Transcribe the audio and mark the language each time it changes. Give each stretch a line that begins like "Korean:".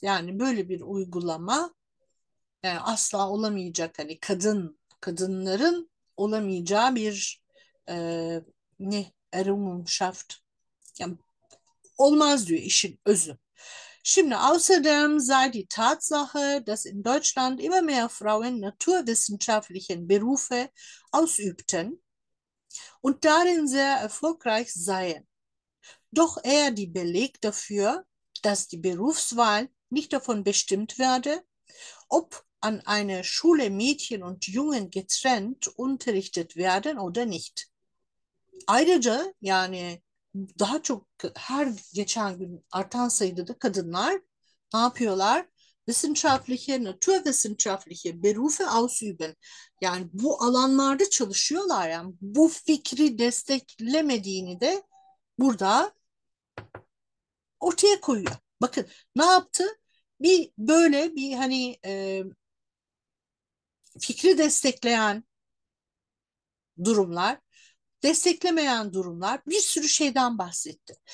Turkish: Yani böyle bir uygulama asla olamayacak, hani kadınların olamayacağı bir ne Errungenschaft, yani olmaz diyor işin özü.
German: Şimdi außerdem sei die Tatsache, dass in Deutschland immer mehr Frauen naturwissenschaftlichen Berufe ausübten und darin sehr erfolgreich seien, doch eher die Beleg dafür, dass die Berufswahl nicht davon bestimmt werde, ob an einer Schule Mädchen und Jungen getrennt unterrichtet werden oder nicht.
Turkish: Ayrıca yani daha çok her geçen gün artan sayıda da kadınlar ne yapıyorlar?
German: Naturwissenschaftliche Berufe ausüben.
Turkish: Yani bu alanlarda çalışıyorlar. Yani bu fikri desteklemediğini de burada ortaya koyuyor. Bakın ne yaptı? Bir böyle bir hani fikri destekleyen durumlar, desteklemeyen durumlar, bir sürü şeyden bahsetti.